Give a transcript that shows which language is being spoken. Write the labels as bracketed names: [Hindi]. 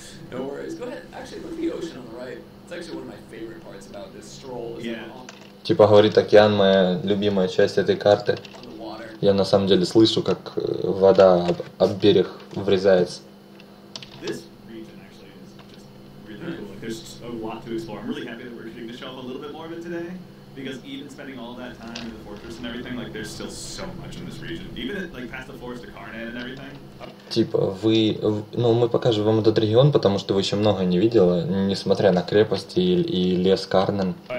[English] No worries. Go ahead. Actually, look at the ocean on the right. It's actually one of my favorite parts about this stroll. Yeah. [Russian] Типа говорит океан, моя любимая часть этой карты. Я на самом деле слышу, как вода об берег врезается. [English] This region actually is just really cool. Like, there's a lot to explore. I'm really happy that we're getting to show off a little bit more of it today. Because even spending all that time in the fortress and everything, like, there's still so much in this region. Even at, like, past the forest of Karnan and everything. [Russian] Типа, вы... Ну, мы покажем вам этот регион, потому что вы еще много не видели, несмотря на крепость и лес Карнан.